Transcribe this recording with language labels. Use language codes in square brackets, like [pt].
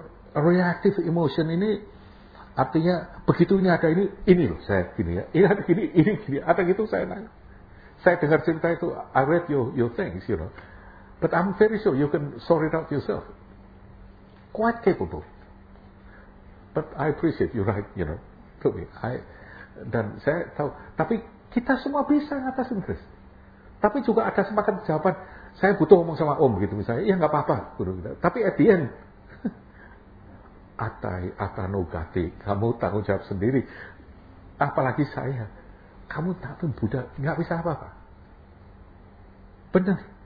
[id] Reactive emotion ini artinya begitu ini ada ini loh saya gini ya, ini ada ini gini, ada gitu saya nanya. Saya dengar cerita itu, [en] I read your things, you know. But I'm very sure you can sort it out yourself. Quite capable. But I appreciate you right, you know, to me. [id] Dan saya tahu, tapi kita semua bisa ngatasin Chris. Tapi juga ada semacam jawaban, saya butuh ngomong sama om gitu misalnya, ya gak apa-apa. Guru kita. Tapi [en] at the end, [pi] atai atanugati, [id] kamu tanggung jawab sendiri. Apalagi saya, kamu tak pun budak, gak bisa apa-apa. Benar.